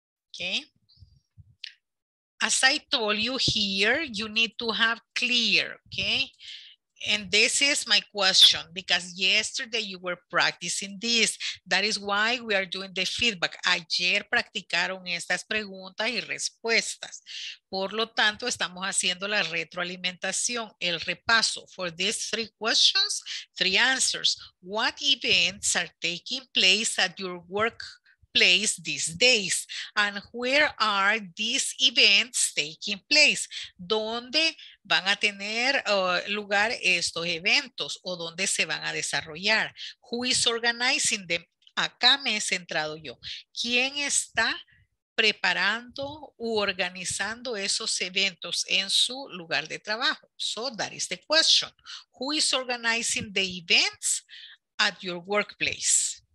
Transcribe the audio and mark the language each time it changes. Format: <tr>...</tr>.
<en>Okay. As I told you here, you need to have clear, okay? And this is my question, because yesterday you were practicing this. That is why we are doing the feedback.</en> <es>Ayer practicaron estas preguntas y respuestas. Por lo tanto, estamos haciendo la retroalimentación, el repaso.</es> <en>For these three questions, three answers. What events are taking place at your workplace these days? And where are these events taking place? ¿Dónde van a tener lugar estos eventos o dónde se van a desarrollar? Who is organizing them?</en> <es>Acá me he centrado yo. ¿Quién está preparando u organizando esos eventos en su lugar de trabajo?</es> <en>So that is the question. Who is organizing the events at your workplace?</en>